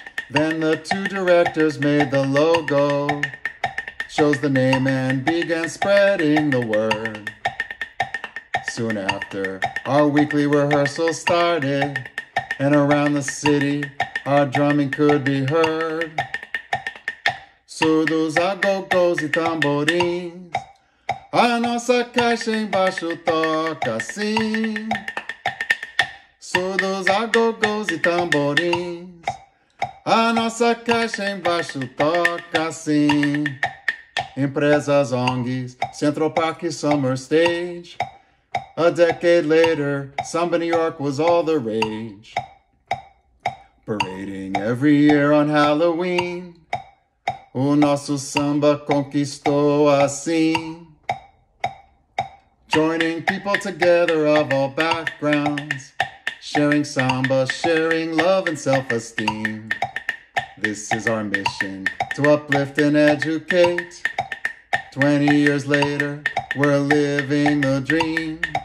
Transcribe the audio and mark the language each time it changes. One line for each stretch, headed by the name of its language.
English: Then the two directors made the logo, chose the name and began spreading the word. Soon after, our weekly rehearsal started, and around the city, our drumming could be heard.
Portuguese: Surdos, agogos, e tamborins. A nossa caixa embaixo toca assim. Surdos, agogôs e tamborins. A nossa caixa embaixo toca assim. Empresas, ONGs, Central Park, Summer Stage.
English: A decade later, Samba New York was all the rage. Parading every year on Halloween.
Portuguese: O nosso samba conquistou assim.
English: Joining people together of all backgrounds, sharing samba, sharing love and self-esteem. This is our mission, to uplift and educate. 20 years later, we're living the dream.